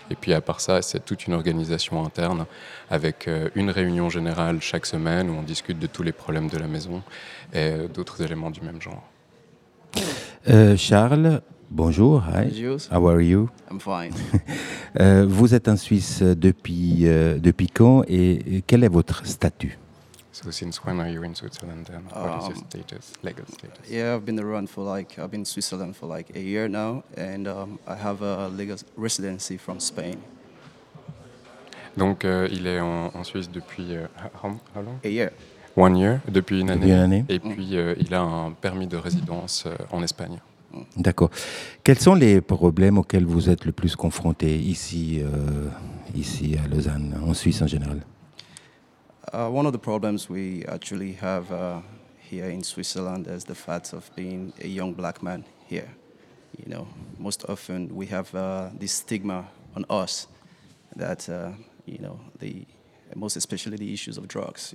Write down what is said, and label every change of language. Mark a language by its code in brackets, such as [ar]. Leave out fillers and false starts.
[fr] Et puis, à part ça, c'est toute une organisation interne avec une réunion générale chaque semaine où on discute de tous les problèmes de la maison et d'autres éléments du même genre. Charles, bonjour. [en] Hi. Bonjour. How are you? I'm fine. [fr] Vous êtes en Suisse depuis quand et quel est votre statut? [en] So since when are you in Switzerland and what is your status, legal status? Yeah, I've been around for like I've been in Switzerland for like a year now and I have a legal residency from Spain. [fr] Donc il est en Suisse depuis [en] how long? A year. One year. [fr] Depuis une année. Depuis une année. Et puis il a un permis de résidence en Espagne. D'accord. Quels sont les problèmes auxquels vous êtes le plus confronté ici, ici à Lausanne, en Suisse en général? [en] One of the problems we actually have here in Switzerland is the fact of being a young black man here. You know, most often we have this stigma on us that you know the most especially the issues of drugs.